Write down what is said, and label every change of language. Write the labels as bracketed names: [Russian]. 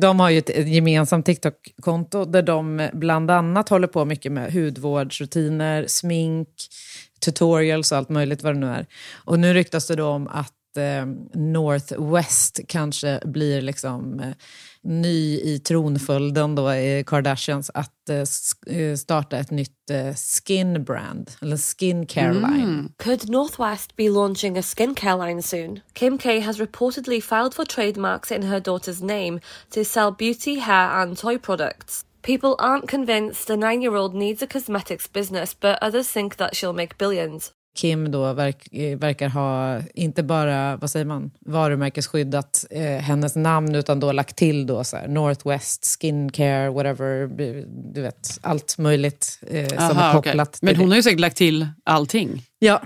[Swedish] De har ju ett gemensamt TikTok-konto där de bland annat håller på mycket med hudvårdsrutiner, smink, tutorials och allt möjligt vad det nu är. Och nu ryktas det då om att Northwest kanske blir liksom ny i tronföljden då i Kardashians att starta ett nytt skin brand eller skincare line. [English] Could Northwest be launching a skincare line soon? Kim K has reportedly filed for trademarks in her daughter's name to sell beauty, hair and toy products. People aren't convinced the 9-year-old needs a cosmetics business, but others think that she'll make billions. [Swedish] Kim då verkar ha inte bara, vad säger man, varumärkesskyddat hennes namn utan då lagt till då så här Northwest skincare whatever, du vet, allt möjligt som är kopplat till. Men hon har ju säkert lagt till allting. Ja,